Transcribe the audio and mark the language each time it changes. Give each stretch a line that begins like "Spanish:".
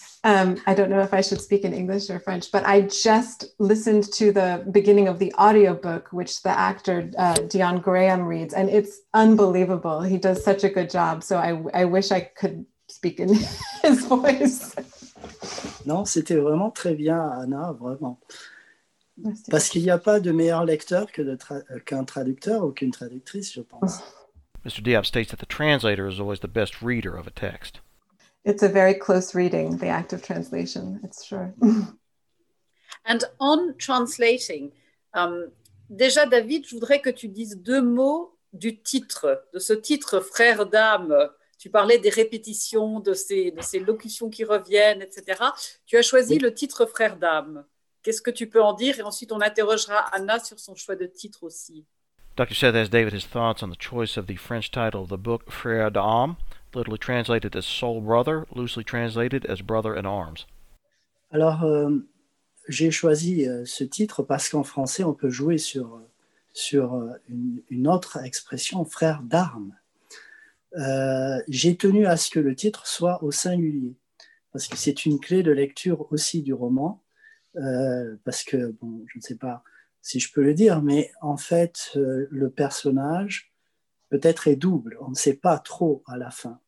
English: I don't know if I should speak in English or French, but I just listened to the beginning of the audiobook, which the actor Dion Graham reads, and it's unbelievable. He does such a good job. So I wish I could speak in his voice.
French: Non, c'était vraiment très bien, Anna, vraiment. Merci. Parce qu'il n'y a pas de meilleur lecteur qu'un traducteur ou qu'une traductrice, je pense.
English: Mr. Diop states that the translator is always the best reader of a text. It's a very close reading, the act of translation, it's true. And on translating,
French: déjà David, je voudrais que tu dises deux mots du titre, de ce titre Frère d'âme. Tu parlais des répétitions, de ces locutions qui reviennent, etc. Tu as choisi le titre Frère d'âme. Qu'est-ce que tu peux en dire? Et ensuite on interrogera Anna sur son choix de titre aussi.
English: Dr. Seth asked David his thoughts on the choice of the French title of the book Frère d'âme, literally translated as soul brother, loosely translated as brother in arms.
French: Alors, j'ai choisi ce titre parce qu'en français, on peut jouer sur une autre expression, frère d'armes. J'ai tenu à ce que le titre soit au singulier, parce que c'est une clé de lecture aussi du roman, parce que, bon, je ne sais pas si je peux le dire, mais en fait, le personnage peut-être est double, on ne sait pas trop à la fin.